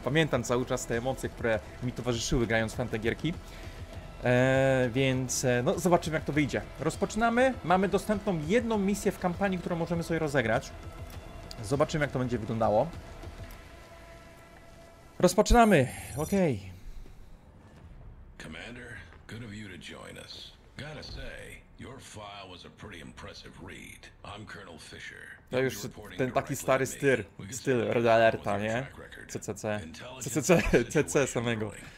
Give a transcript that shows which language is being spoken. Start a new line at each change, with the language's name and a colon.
Polish: Pamiętam cały czas te emocje, które mi towarzyszyły grając w te gierki. Więc no, zobaczymy, jak to wyjdzie. Rozpoczynamy. Mamy dostępną jedną misję w kampanii, którą możemy sobie rozegrać. Zobaczymy, jak to będzie wyglądało. Rozpoczynamy. Okej.
English: Commander, good of you to join us. Gotta say, your file was a pretty impressive read. I'm Colonel Fisher.
Polish: To już ten taki stary styl Red Alerta, nie? CCC. CCC, CCC samego.